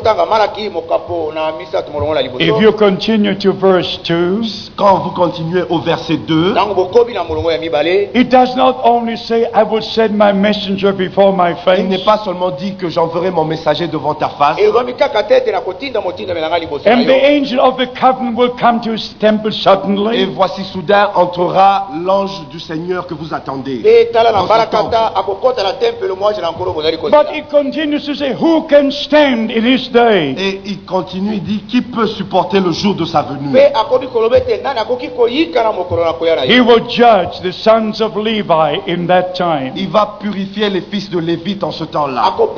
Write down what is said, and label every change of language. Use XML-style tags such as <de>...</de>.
<en>if you continue to verse 2,</en> <fr>quand vous continuez au verset 2,</fr> <en>it does not only say I will send my messenger before my face,</en> <fr>il n'est pas seulement dit que j'enverrai mon messager devant ta face,</fr> <en>and the angel of the covenant will come to his temple suddenly,</en> <fr>et voici soudain entrera l'ange du Seigneur que vous attendez.</fr> <en>But he continues to say, who can stand in his day?</en> <fr>Et il continue, il dit, qui peut supporter le jour de sa venue?</fr> <en>He will judge the sons of Levi in that time.</en> <fr>Il va purifier les fils de Lévi en ce temps-là.</fr>